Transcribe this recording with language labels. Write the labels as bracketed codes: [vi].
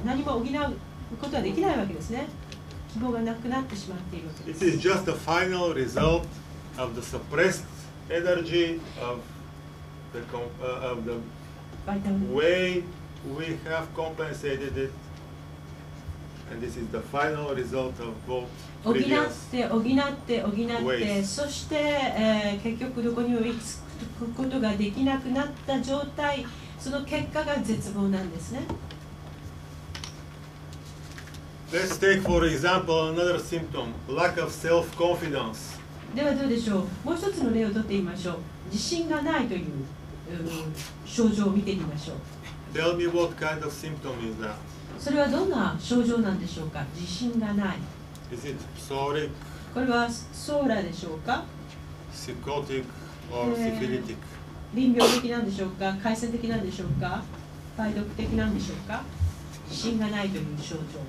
[ja] 何も補うことはできないわけですね。希望がなくなってしまっているわけです。 [en] It is just the final result of the suppressed energy of the way we have compensated it. And this is the final result of both previous ways. [ja] 補って補って補って、そして、結局どこにも行き着くことができなくなった状態、その結果が絶望なんですね。 [en] Let's take for example another symptom: lack of self-confidence. [ja] ではどうでしょう。もう一つの例を取ってみましょう。自信がないという、症状を見てみましょう。 [en] Tell me what kind of symptom is that? [ja] それはどんな症状なんでしょうか。自信がない。 [en] Is it psoriatic? [ja] これはソーラでしょうか。 [en] Psychotic or syphilitic? [ja] 臨病的なんでしょうか。回線的なんでしょうか。梅毒的なんでしょうか。自信がないという症状。